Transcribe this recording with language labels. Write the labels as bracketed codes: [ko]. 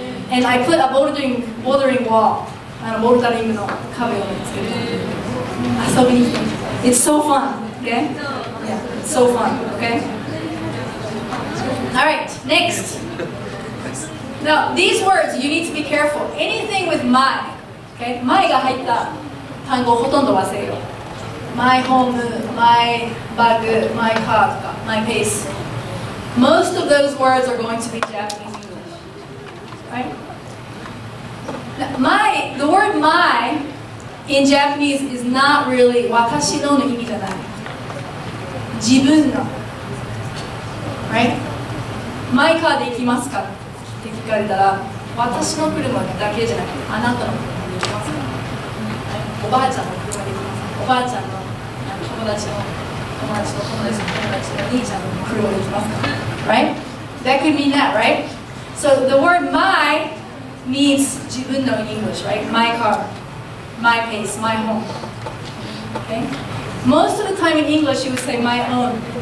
[en] And I put a bordering wall. And a bordering, you know, cover on it. So many. It's so fun, okay? Yeah, so fun, okay? All right, next. Now, these words, you need to be careful. Anything with my, okay? [ja] My が入った単語をほとんど忘れよう。 [en] My home, my bag, my car, my pace. Most of those words are going to be Japanese English, right? My, the word my in Japanese is not really [ja] 私のの意味じゃない。自分の。 [en] Right? My car [ja] で行きますか? って聞かれたら、私の車だけじゃなくて、あなたの車で行きますか? おばあちゃんの車で行きますか?おばあちゃんの友達の友達の友達の友達の兄ちゃんの車で行きますか? [en] Right? That could mean that, right? So the word my means [ja] 自分の [en] in English, right? My car. My pace, my home. Okay? Most of the time in English you would say my own.